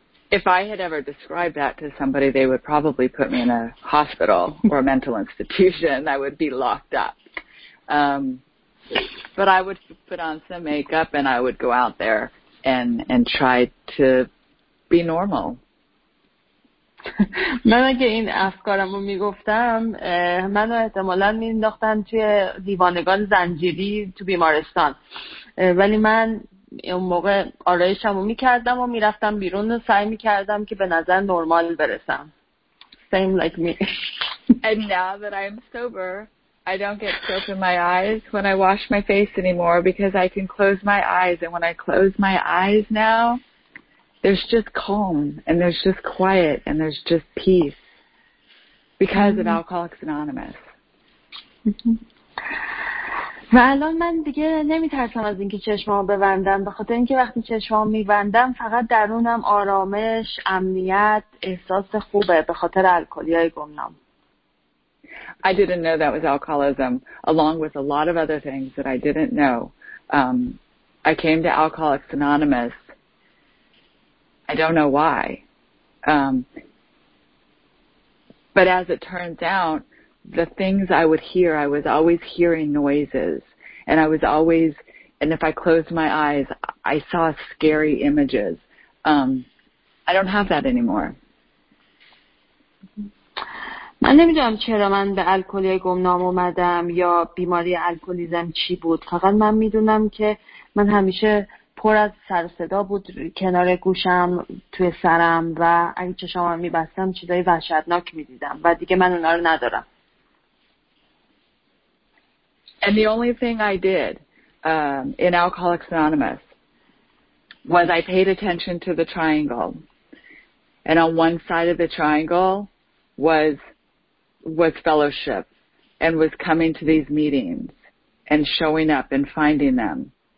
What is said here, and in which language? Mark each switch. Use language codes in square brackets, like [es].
[en] If I had ever described that to somebody, they would probably put me in a hospital or a mental institution. I would be locked up. But I would put on some makeup and I would go out there and try to be normal. [fa] من اگه این افکارم رو میگفتم من رو احتمالا مینداختن توی دیوانگان زنجیری تو بیمارستان، ولی من اون موقع آرایشم رو میکردم و میرفتم بیرون و سعی میکردم که به نظر نرمال برسم. [en] Same like me. And now that I am sober, I don't get soap in my eyes when I wash my face anymore because I can close my eyes. And when I close my eyes now, there's just calm and there's just quiet and there's just peace because of Alcoholics Anonymous. [fa] و الان من دیگه نمیترسم از اینکه چشمامو ببندم، به خاطر اینکه وقتی چشمامو میبندم فقط درونم آرامش، امنیت، احساس خوبه به خاطر الکلیای گمنام. [en] I didn't know that was alcoholism along with a lot of other things that I didn't know. I came to Alcoholics Anonymous. I don't know why. But as it turns out, the things I would hear, I was always hearing noises, and I was always, and if I closed my eyes, I saw scary images. I don't have that anymore. [fa] من نمیدونم چرا من به الکلی گمنام اومدم یا بیماری الکلیزم چی بود، فقط من میدونم که من همیشه پر از سر صدا بود کنار گوشم توی سرم و اگه چشامو میبستم چیزای وحشتناک میدیدم و دیگه من اونا رو ندارم. [en] And the only thing I did in Alcoholics Anonymous was I paid attention to the triangle. And on one side of the triangle was fellowship and was coming to these meetings and showing up and finding them.